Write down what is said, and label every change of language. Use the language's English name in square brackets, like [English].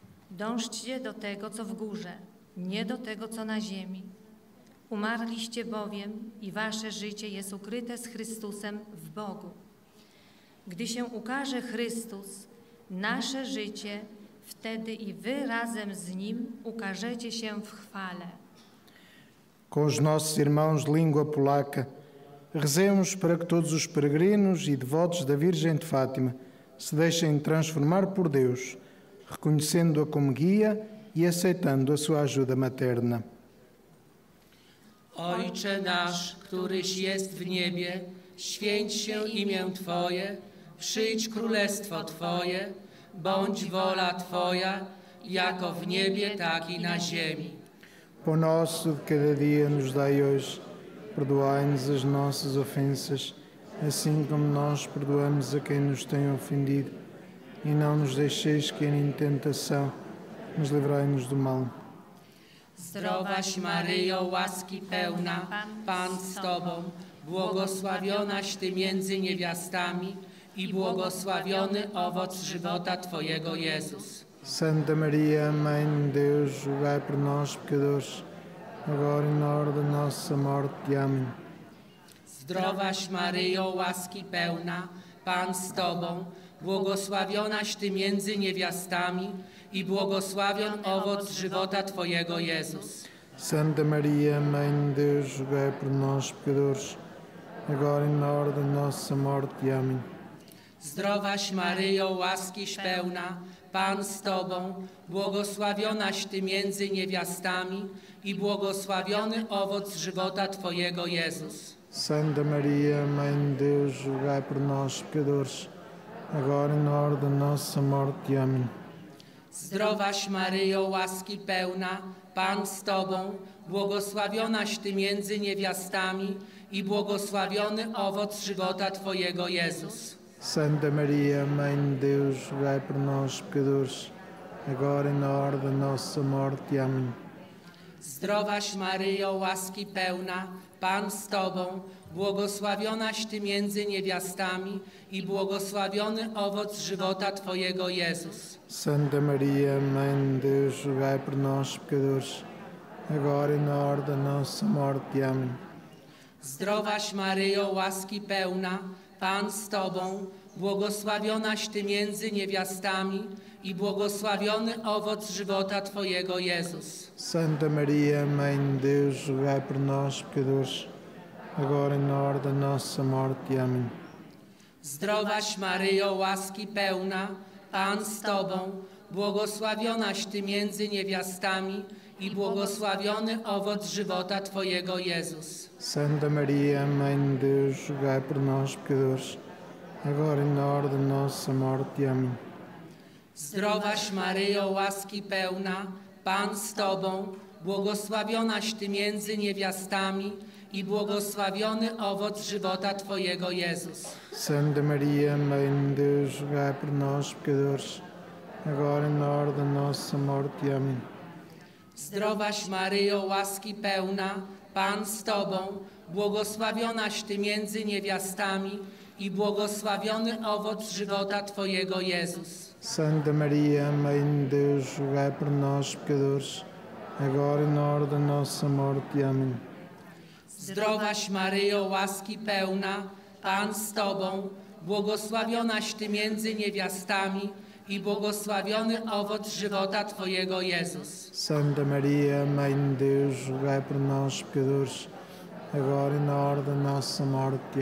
[Polish] Dążcie do tego, co w górze, nie do tego, co na ziemi. Umarliście bowiem i wasze życie jest ukryte z Chrystusem w Bogu. Gdy się ukaże Chrystus, nasze życie, wtedy i wy razem z Nim ukażecie się w chwale. [Portuguese] Com os nossos irmãos de língua polaca, rezemos para que todos os peregrinos e devotos da Virgem de Fátima se deixem transformar por Deus, reconhecendo-a como guia e aceitando a sua ajuda materna. [Polish] Ojcze nasz, któryś jest w niebie, święć się imię Twoje, przyjdź królestwo Twoje, bądź wola Twoja, jako w niebie, tak i na ziemi. [Portuguese] Pão nosso de cada dia nos dai hoje, perdoai-nos as nossas ofensas, assim como nós perdoamos a quem nos tem ofendido. E não nos deixeis cair em tentação, mas livrai-nos do mal. [Polish] Zdrowaś Maryjo, łaski pełna, Pan z Tobą, błogosławionaś Ty między niewiastami i błogosławiony owoc żywota Twojego, Jezus. [Portuguese] Santa Maria, Mãe de Deus, rogai por nós, pecadores, agora e na hora da nossa morte. Amém. [Polish] Zdrowaś Maryjo, łaski pełna, Pan z Tobą, błogosławionaś Ty między niewiastami i błogosławion owoc żywota Twojego, Jezus. [Portuguese] Santa Maria, Mãe de Deus, rogai por nós, pecadores, agora e na hora da nossa morte. Amém. [Polish] Zdrowaś Maryjo, łaskiś pełna, Pan z Tobą, błogosławionaś Ty między niewiastami i błogosławiony owoc żywota Twojego, Jezus. [Portuguese] Santa Maria, Mãe de Deus, rogai por nós, pecadores, agora e na hora da nossa morte. Amém. [Polish] Zdrowaś Maryjo, łaski pełna, Pan z Tobą, błogosławionaś Ty między niewiastami i błogosławiony owoc żywota Twojego, Jezus. [Portuguese] Santa Maria, Mãe de Deus, rogai por nós, pecadores, agora e na hora da nossa morte. Amém. [Polish] Zdrowaś Maryjo, łaski pełna, Pan z Tobą, błogosławionaś Ty między niewiastami i błogosławiony owoc żywota Twojego, Jezus. [Portuguese] Santa Maria, Mãe de Deus, rogai por nós, pecadores, agora e na hora da nossa morte. Amém. [Polish] Zdrowaś Maryjo, łaski pełna, Pan z Tobą, błogosławionaś Ty między niewiastami i błogosławiony owoc żywota Twojego, Jezus. [Portuguese] Santa Maria, Mãe de Deus, rogai por nós, pecadores, agora e na hora da nossa morte. Amém. [Polish] Zdrowaś Maryjo, łaski pełna, Pan z Tobą, błogosławionaś Ty między niewiastami i błogosławiony owoc żywota Twojego, Jezus. [Portuguese] Santa Maria, Mãe de Deus, rogai por nós, pecadores, agora e na hora da nossa morte. Amém. [Polish] Zdrowaś Maryjo, łaski pełna, Pan z Tobą, błogosławionaś Ty między niewiastami i błogosławiony owoc żywota Twojego, Jezus. [Portuguese] Santa Maria, Mãe de Deus, rogai por nós, pecadores, agora e na hora da nossa morte. Amém. [Polish] Zdrowaś Maryjo, łaski pełna, Pan z Tobą, błogosławionaś Ty między niewiastami i błogosławiony owoc żywota Twojego, Jezus. [Portuguese] Santa Maria, Mãe de Deus, rogai por nós, pecadores, agora e na hora da nossa morte. Amém. [Polish] Zdrowaś Maryjo, łaski pełna, Pan z Tobą, błogosławionaś Ty między niewiastami i błogosławiony owoc żywota Twojego, Jezus. [Portuguese] Santa Maria, Mãe de Deus, rogai por nós, pecadores, agora e na hora da nossa morte.